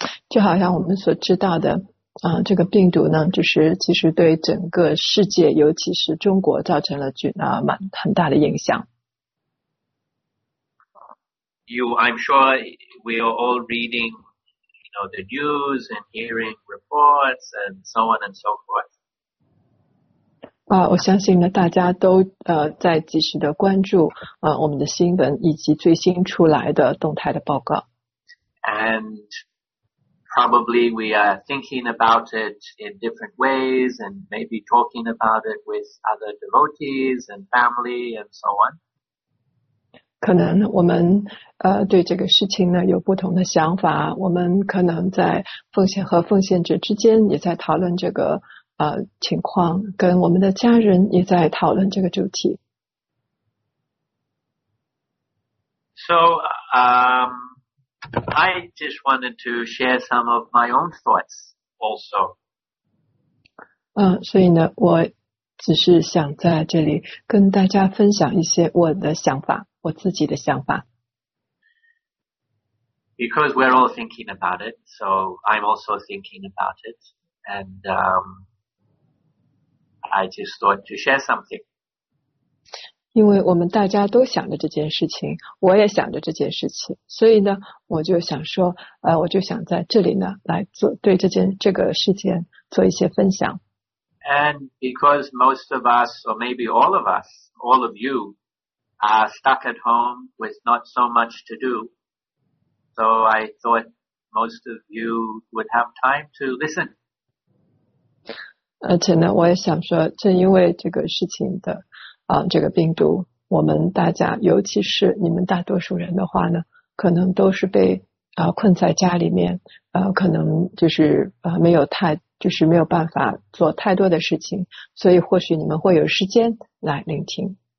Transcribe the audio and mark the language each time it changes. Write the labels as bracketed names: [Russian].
[Chinese] 就好像我们所知道的这个病毒呢就是其实对整个世界尤其是中国造成了很大的影响。 [English] I'm sure we are all reading, you know, the news and hearing reports and so on and so forth. [Chinese] 我相信呢大家都在及时的关注我们的新闻以及最新出来的动态的报告。 [English] And probably we are thinking about it in different ways and maybe talking about it with other devotees and family and so on. [Chinese] 可能我们对这个事情呢有不同的想法，我们可能在奉献和奉献者之间也在讨论这个情况，跟我们的家人也在讨论这个主题。 [English] So, I just wanted to share some of my own thoughts also. [Chinese] 所以呢我只是想在这里跟大家分享一些我的想法，我自己的想法。 [English] Because we're all thinking about it, so I'm also thinking about it, and I just thought to share something. [Chinese] 因为我们大家都想着这件事情，我也想着这件事情，所以呢，我就想说，我就想在这里呢，来做对这个事件做一些分享。 [English] And because most of us, or maybe all of us, all of you, are stuck at home with not so much to do, so I thought most of you would have time to listen. [Chinese] 而且呢，我也想说，正因为这个事情的。这个病毒我们大家尤其是你们大多数人的话呢可能都是被困在家里面可能就是就是没有办法做太多的事情所以或许你们会有时间来聆听。